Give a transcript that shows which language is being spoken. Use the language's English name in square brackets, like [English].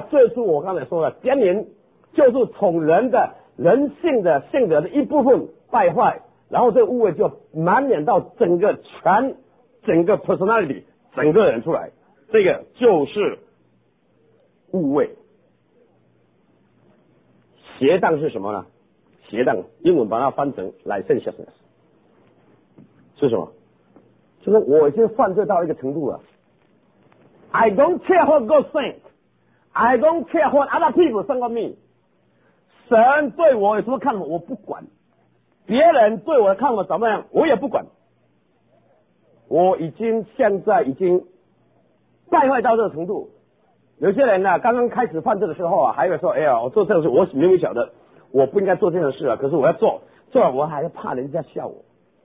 [Chinese] 最初我刚才说的奸淫，就是从人的人性的性格的一部分败坏，然后这个误会就蔓延到整个 personality 整个人出来，这个就是误会。邪荡是什么呢？邪荡英文把它翻成 licentiousness。是什么？就是我已经犯罪到一个程度了。 [English] I don't care what God thinks. I don't care what other people think of me. [Chinese] 神对我有什么看法？我不管。别人对我的看法怎么样？我也不管。我已经现在已经败坏到这个程度。有些人呢，刚刚开始犯罪的时候啊，还有说：“哎呀，我做这个事，我明明晓得我不应该做这件事啊，可是我要做，做了我还是怕人家笑我。”